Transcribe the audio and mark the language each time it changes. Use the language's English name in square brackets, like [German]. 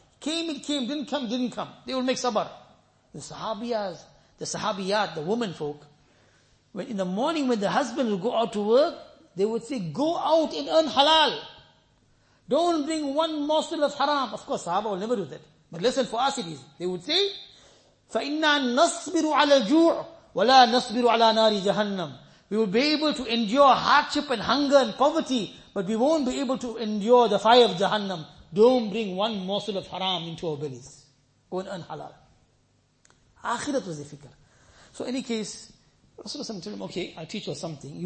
[English] Came, it came, didn't come, didn't come. They will make sabar. The sahabiyas, the sahabiyat, the women folk, when in the morning when the husband will go out to work, they would say, go out and earn halal. Don't bring one morsel of haram. Of course, sahaba will never do that. But listen, for us it is. [Arabic] They would say, فَإِنَّا نَصْبِرُ عَلَى الْجُوعُ وَلَا نَصْبِرُ عَلَى نَارِ جَهَنَّمُ. [English] We will be able to endure hardship and hunger and poverty, but we won't be able to endure the fire of Jahannam. Don't bring one morsel of haram into our bellies. Go and earn halal. Akhirat was the fikr. So in any case, Rasulullah told him, okay, I'll teach you something.